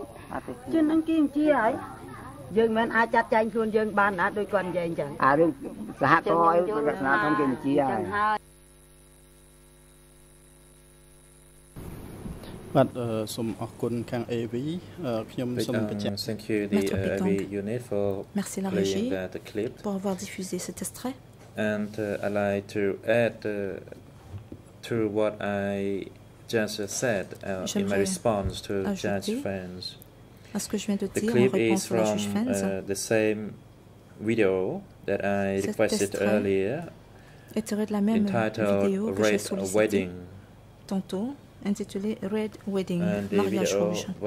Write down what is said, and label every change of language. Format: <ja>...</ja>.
<km>ជន់ហ្នឹងគេបញ្ជាហើយយើងមិនអាចចាត់ចែងខ្លួនយើងបានណាដូចគាត់និយាយអញ្ចឹង អារឿងសហគមន៍អីរដ្ឋាភិបាលគេជាហើយ បាទសូមអរគុណខាង AV ខ្ញុំសូមបញ្ជាក់</km> <en>Thank you the AV unit for</en> <fr>Merci la régie pour avoir diffusé cet extrait</fr> <en>and I like to add to what I just said in my response to judge friends</en> <fr>à ce que je viens de dire en réponse à la juge Fens.</fr> <en>The same video that I requested earlier</en> <fr>est tiré de la même vidéo que j'ai sollicité tantôt, intitulée Red Wedding, mariage rouge.</fr>